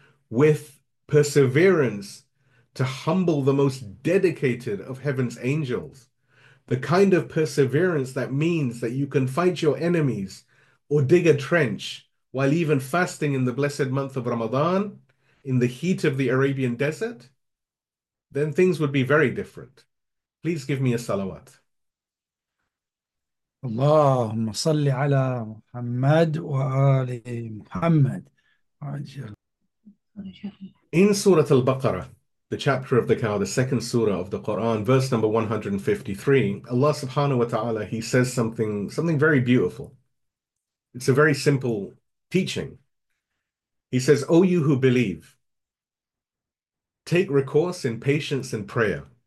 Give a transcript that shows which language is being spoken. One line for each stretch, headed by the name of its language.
English: with perseverance to humble the most dedicated of heaven's angels, the kind of perseverance that means that you can fight your enemies or dig a trench while even fasting in the blessed month of Ramadan in the heat of the Arabian desert, then things would be very different. Please give me a salawat.
Arabic: اللهم صل على محمد وآل محمد عجل.
English: In Surah Al-Baqarah, the chapter of the cow, the second surah of the Quran, verse number 153, Allah subhanahu wa ta'ala, he says something very beautiful. It's a very simple teaching. He says, "O you who believe, take recourse in patience and prayer.